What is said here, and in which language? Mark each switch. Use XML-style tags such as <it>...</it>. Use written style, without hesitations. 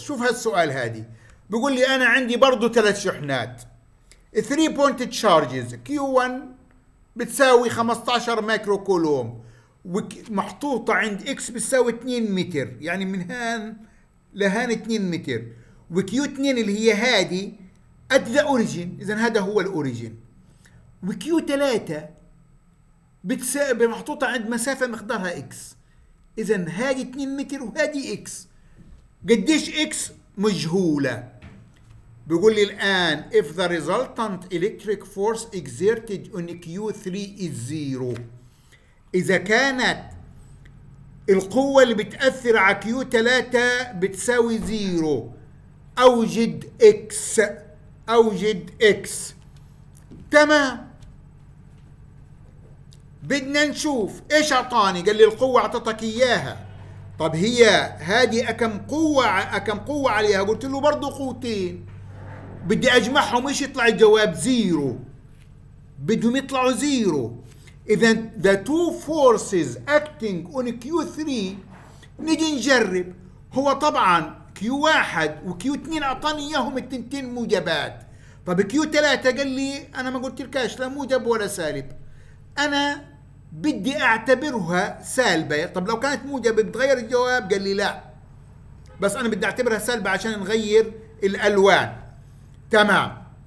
<ar>شوف هالسؤال هذه، بيقول لي انا عندي برضو ثلاث شحنات 3 بوينت تشارجز، كيو 1 بتساوي 15 مايكرو كولوم، ومحطوطة عند اكس بتساوي 2 متر، يعني من هان لهان 2 متر، وكيو 2 اللي هي هادي قد ذا اوريجين، اذا هذا هو الاوريجين. وكيو 3 بمحطوطة عند مسافة مقدارها اكس، اذا هادي 2 متر وهادي اكس. قديش اكس؟ مجهولة. بيقول لي الآن</ar> <en>if the resultant electric force exerted on Q3 is zero،</en> <ar>إذا كانت القوة اللي بتأثر على Q3 بتساوي zero، أوجد X، أوجد X. تمام، بدنا نشوف إيش أعطاني. قال لي القوة أعطتك إياها، طب هي هذه أكم قوة، أكم قوة عليها؟ قلت له برضو قوتين، بدي اجمعهم ايش يطلع الجواب؟ زيرو، بدهم يطلعوا زيرو. اذا</ar> <en>the two forces acting on Q3،</en> <ar>نجي نجرب. هو طبعا Q1 وQ2 اعطاني اياهم التنتين موجبات، طب Q3 قال لي انا ما قلت لكاش لا موجب ولا سالب، انا بدي اعتبرها سالبة. طب لو كانت موجبة بتغير الجواب؟ قال لي لا، بس انا بدي اعتبرها سالبة عشان نغير الالوان، تمام.</ar>